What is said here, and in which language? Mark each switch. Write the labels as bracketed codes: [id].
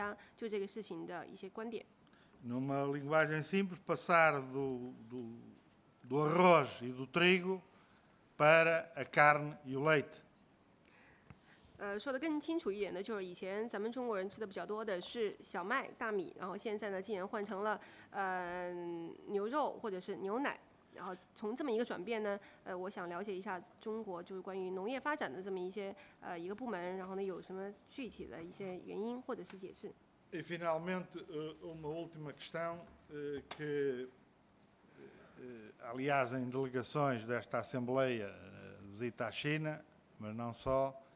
[zh] 第二个问题是，然后呢，一直以来咱们这个中国食物大家都认为是非常的绿色，但是呢，在最近10年以来，然后呢，咱们中国人的餐桌上呢，由以前主要以绿色纤维为主的这么一个食谱，然后改成了动物脂肪，然后呢，想要了解一下、听取一下大家就这个事情的一些观点。 [pt] Numa linguagem simples, passar do arroz e do trigo para a carne e o leite. [zh] 说的更清楚一点的就是以前咱们中国人吃的比较多的是小麦、大米，然后现在呢竟然换成了牛肉或者是牛奶，然后从这么一个转变呢，我想了解一下中国就是关于农业发展的这么一些一个部门，然后呢有什么具体的一些原因或者是解释。 [pt] E finalmente uma última questão que aliás em delegações desta Assembleia visita a China, mas não só.